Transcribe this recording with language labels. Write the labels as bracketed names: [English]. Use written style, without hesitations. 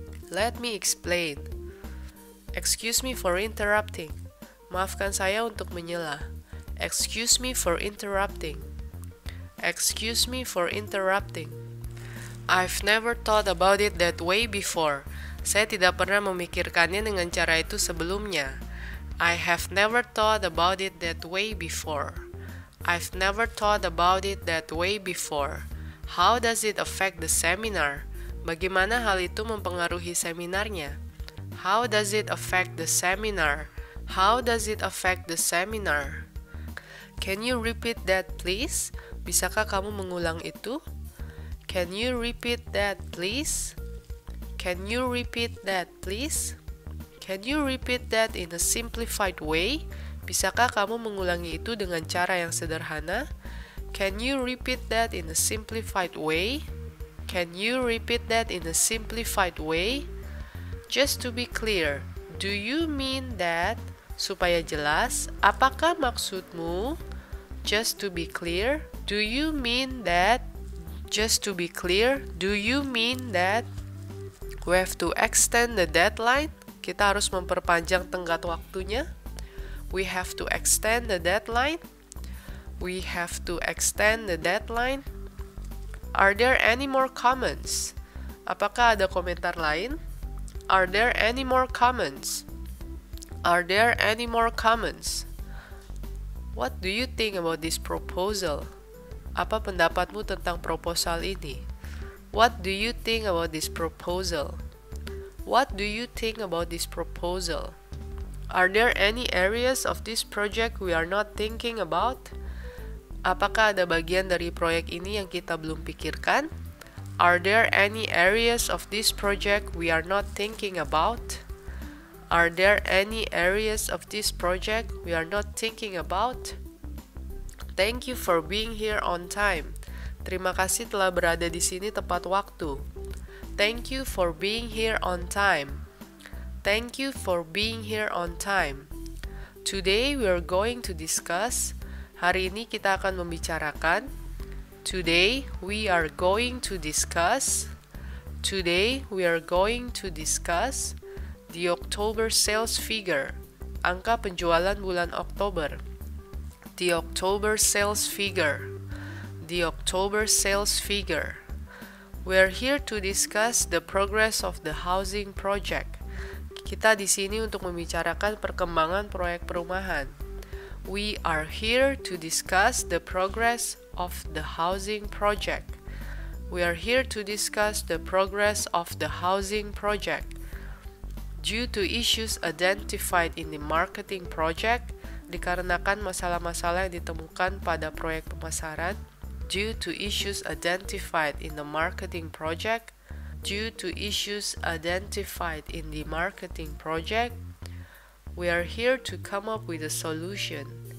[English] Let me explain. Excuse me for interrupting. [Indonesian] Maafkan saya untuk menyela. [English] Excuse me for interrupting. Excuse me for interrupting. I've never thought about it that way before. [Indonesian] Saya tidak pernah memikirkannya dengan cara itu sebelumnya. [English] I have never thought about it that way before. I've never thought about it that way before. How does it affect the seminar? [Indonesian] Bagaimana hal itu mempengaruhi seminarnya? [English] How does it affect the seminar? How does it affect the seminar? Can you repeat that, please? [Indonesian] Bisakah kamu mengulang itu? [English] Can you repeat that, please? Can you repeat that, please? Can you repeat that in a simplified way? [Indonesian] Bisakah kamu mengulangi itu dengan cara yang sederhana? [English] Can you repeat that in a simplified way? Can you repeat that in a simplified way? Just to be clear, do you mean that? [Indonesian] Supaya jelas, apakah maksudmu? [English] Just to be clear, do you mean that? Just to be clear, do you mean that? We have to extend the deadline. [Indonesian] Kita harus memperpanjang tenggat waktunya. [English] We have to extend the deadline. We have to extend the deadline. Are there any more comments? [Indonesian] Apakah ada komentar lain? [English] Are there any more comments? Are there any more comments? What do you think about this proposal? [Indonesian] Apa pendapatmu tentang proposal ini? [English] What do you think about this proposal? What do you think about this proposal? Are there any areas of this project we are not thinking about? [Indonesian] Apakah ada bagian dari proyek ini yang kita belum pikirkan? [English] Are there any areas of this project we are not thinking about? Are there any areas of this project we are not thinking about? Thank you for being here on time. [Indonesian] Terima kasih telah berada di sini tepat waktu. [English] Thank you for being here on time. Thank you for being here on time. Today we are going to discuss. [Indonesian] Hari ini kita akan membicarakan. [English] Today we are going to discuss. Today we are going to discuss the October sales figure. [Indonesian] Angka penjualan bulan Oktober. [English] The October sales figure. The October sales figure. We are here to discuss the progress of the housing project. [Indonesian] Kita di sini untuk membicarakan perkembangan proyek perumahan. [English] We are here to discuss the progress of the housing project. We are here to discuss the progress of the housing project. Due to issues identified in the marketing project, [Indonesian] dikarenakan masalah-masalah yang ditemukan pada proyek pemasaran, [English] due to issues identified in the marketing project, due to issues identified in the marketing project, we are here to come up with a solution.